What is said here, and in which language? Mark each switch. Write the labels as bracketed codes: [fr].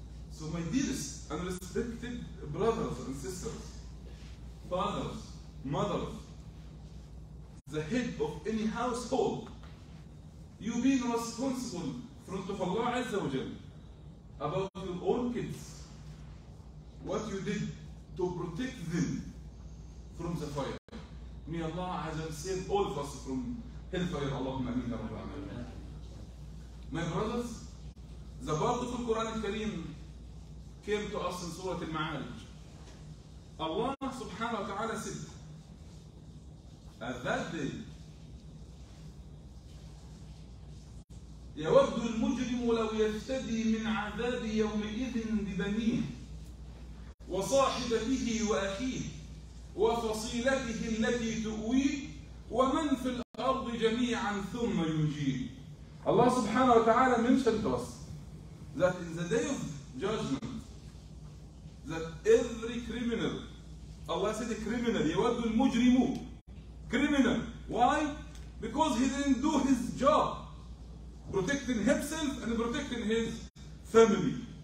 [en] So my dearest and respected brothers and sisters, fathers, mothers, the head of any household, you being responsible in front of Allah Azza wa Jal about your own kids, what you did to protect them from the fire. May Allah Azza save all of us from Hellfire, Allahumma ameen, ya Rabbi ameen. My brothers, the part of the Quran al-Kareem came to us in Surah Al-Ma'arij. Allah subhanahu wa ta'ala said, at that day, [ar] يَوَدُّ الْمُجْرِمُ لَوْ يَفْتَدِي مِنْ عَذَابِ يَوْمِئِذٍ بِبَنِيهِ وَصَاحِبَتِهِ وَأَخِيهِ وَفَصِيلَتِهِ الَّتِي تُؤْوِيهِ ومن في الأرض جميعا ثم ينجيه. الله سبحانه وتعالى [en] mentioned to us that in the day of judgment, that every criminal, Allah said a criminal, [ar] يَوَدُّ الْمُجْرِمُ. [en] Criminal. Why? Because he didn't do his job. Protecting himself and protecting his family.